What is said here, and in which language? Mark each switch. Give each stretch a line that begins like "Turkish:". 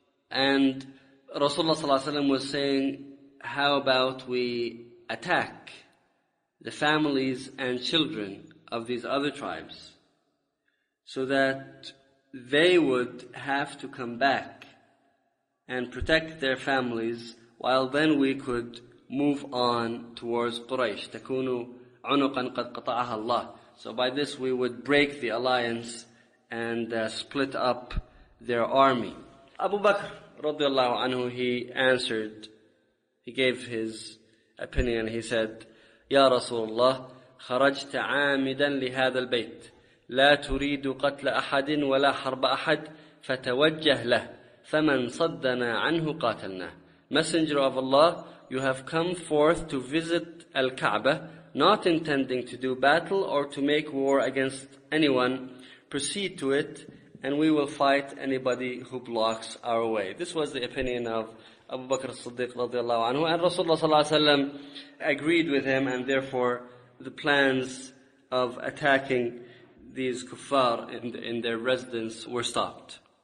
English: And Rasulullah sallallahu alayhi wa sallam was saying, how about we attack the families and children of these other tribes so that they would have to come back and protect their families, while then we could move on towards Quraysh.
Arabic: تَكُونُ عُنُقًا قَدْ قَطَعَهَا اللَّهُ.
English: So by this we would break the alliance and split up their army. Abu Bakr رضي الله عنه, he answered, he gave his opinion, he said,
Arabic: يَا رَسُولَ اللَّهِ خَرَجْتَ عَامِدًا لِهَذَا الْبَيْتِ لَا تُرِيدُ قَتْلَ أَحَدٍ وَلَا حَرْبَ أَحَدٍ فَتَوَجَّهْ لَهُ فَمَنْ صَدَّنَا عَنْهُ قَاتَلْنَا.
English: Messenger of Allah, you have come forth to visit Al-Kaaba, not intending to do battle or to make war against anyone. Proceed to it, and we will fight anybody who blocks our way. This was the opinion of Abu Bakr as-Siddiq radiallahu anhu, and Rasulullah sallallahu alayhi wa sallam agreed with him, and therefore the plans of attacking these kuffar in their residence were stopped.